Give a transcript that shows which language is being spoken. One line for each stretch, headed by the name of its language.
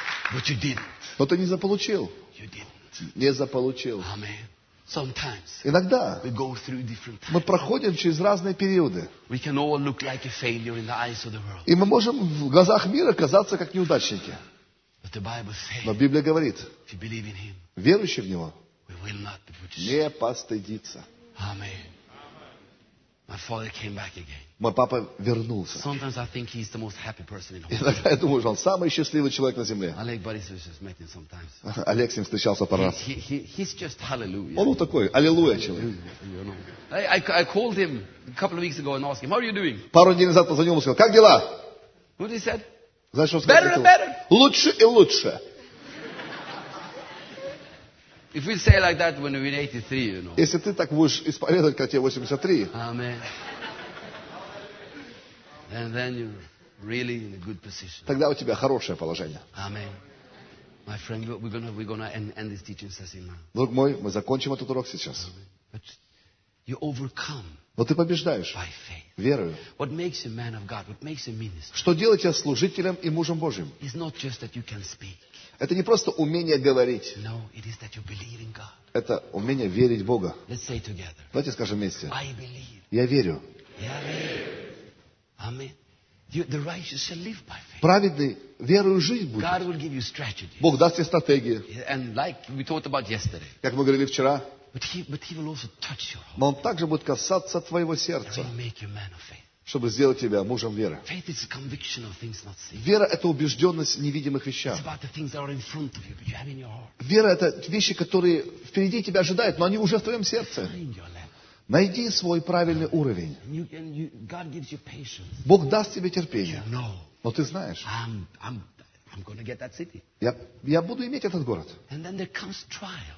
English: But you didn't.
Russian: Но ты не заполучил.
English: You didn't.
Russian: Не заполучил.
English: Amen. Sometimes.
Russian: Иногда.
English: We go through different times.
Russian: Мы проходим через разные периоды.
English: We can all look like a failure in the eyes of the world.
Russian: И мы можем в глазах мира казаться как неудачники.
English: But the Bible says.
Russian: Но Библия говорит.
English: If you believe in Him.
Russian: Верующий в Него.
English: We will not be put to shame.
Russian: Не постыдиться.
English: Amen. My father came back again.
Russian: Мой папа вернулся.
English: Sometimes I think he's the most happy person in the world.
Russian: Иногда я думаю, что он самый счастливый человек на земле.
English: Олег Борисович has met him sometimes.
Russian: Олег с ним встречался пару раз.
English: He's just hallelujah.
Russian: Он вот такой, аллилуйя человек.
English: I called him a couple of weeks ago and asked him, how are you doing?
Russian: Пару дней назад позвонил ему и сказал, как дела?
English: What he said?
Russian: Знаешь, что он сказал?
English: Better and better.
Russian: Лучше и лучше.
English: If we say like that when we're 83, you know.
Russian: Если ты так будешь исповедовать, когда тебе 83.
English: Amen. And then you're really in a good position.
Russian: Тогда у тебя хорошее положение.
English: Amen. My friend, we're gonna end this teaching session now.
Russian: Друг мой, мы закончим этот урок сейчас.
English: But you overcome.
Russian: Но ты побеждаешь.
English: By faith.
Russian: Верою.
English: What makes a man of God? What makes a minister?
Russian: Что делает тебя служителем и мужем Божьим?
English: It's not just that you can speak.
Russian: Это не просто умение говорить.
English: No, it is that you believe in God.
Russian: Это умение верить в Бога.
English: Let's say together.
Russian: Давайте скажем вместе.
English: I believe.
Russian: Я верю.
English: Yeah, I believe. Amen. The righteous shall live by faith.
Russian: Праведный верою жить будет.
English: God will give you strategy.
Russian: Бог даст тебе стратегии.
English: And like we talked about yesterday.
Russian: Как мы говорили вчера.
English: But he will also touch your heart.
Russian: Но он также будет касаться твоего сердца.
English: And make you man of faith.
Russian: Чтобы сделать тебя мужем веры.
English: Faith is a conviction of things not seen.
Russian: Вера – это убежденность в невидимых вещах.
English: It's about the things that are in front of you, but you have in your heart.
Russian: Вера – это вещи, которые впереди тебя ожидают, но они уже в твоем сердце.
English: Find your level.
Russian: Найди свой правильный уровень.
English: And you, God gives you patience.
Russian: Бог даст тебе терпение.
English: You know.
Russian: Но ты знаешь.
English: I'm gonna get that city.
Russian: Я буду иметь этот город.
English: And then there comes trials.